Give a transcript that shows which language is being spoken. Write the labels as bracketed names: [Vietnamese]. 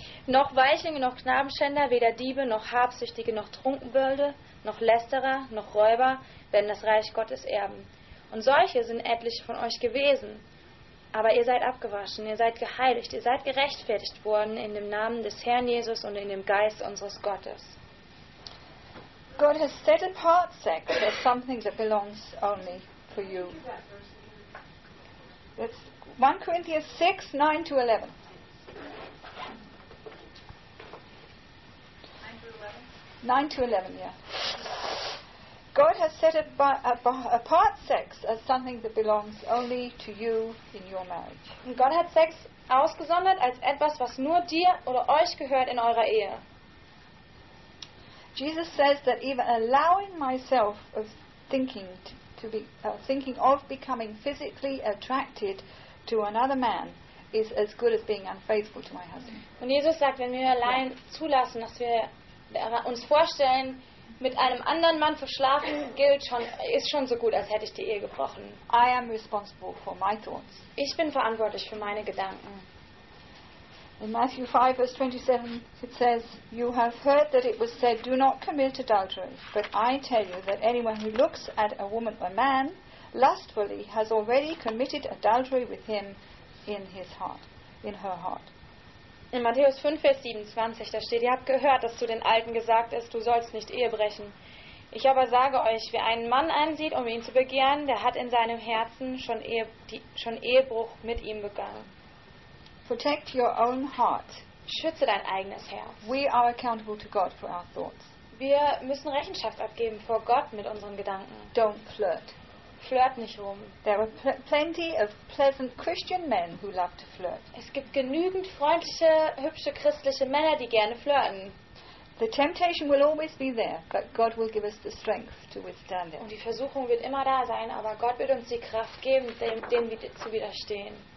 [German] Noch Weichlinge, noch Knabenschänder, weder Diebe, noch Habsüchtige, noch Trunkenbolde, noch Lästerer, noch Räuber, werden das Reich Gottes erben. Und solche sind etliche von euch gewesen. Aber ihr seid abgewaschen, ihr seid geheiligt, ihr seid gerechtfertigt worden in dem Namen des Herrn Jesus und in dem Geist unseres Gottes. [English] God has set apart sex as something that belongs only for you. That's 1 Corinthians 6, 9 to 11. God has set apart sex as something that belongs only to you in your marriage. [German] Gott hat Sex ausgesondert als etwas, was nur dir oder euch gehört in eurer Ehe. [English] Jesus says that even allowing myself of thinking of becoming physically attracted to another man is as good as being unfaithful to my husband. [German] Und Jesus sagt, wenn wir allein zulassen, dass wir uns vorstellen, mit einem anderen Mann zu schlafen, ist schon so gut, als hätte ich die Ehe gebrochen. [English] I am responsible for my thoughts. [German] Ich bin verantwortlich für meine Gedanken. [English] In Matthew 5, verse 27, it says, "You have heard that it was said, 'Do not commit adultery.' But I tell you that anyone who looks at a woman or a man lustfully has already committed adultery with him in her heart." [German] In Matthäus 5, Vers 27, da steht, ihr habt gehört, dass zu den Alten gesagt ist, du sollst nicht Ehe brechen. Ich aber sage euch, wer einen Mann ansieht, um ihn zu begehren, der hat in seinem Herzen schon Ehebruch mit ihm begangen. [English] Protect your own heart. [German] Schütze dein eigenes Herz. [English] We are accountable to God for our thoughts. [German] Wir müssen Rechenschaft abgeben vor Gott mit unseren Gedanken. [English] Don't flirt. [German] Flirt nicht rum. [English] There are plenty of pleasant Christian men who love to flirt. [German] Es gibt genügend freundliche, hübsche christliche Männer, die gerne flirten. [English] The temptation will always be there, but God will give us the strength to withstand it. [German] Und die Versuchung wird immer da sein, aber Gott wird uns die Kraft geben, dem zu widerstehen.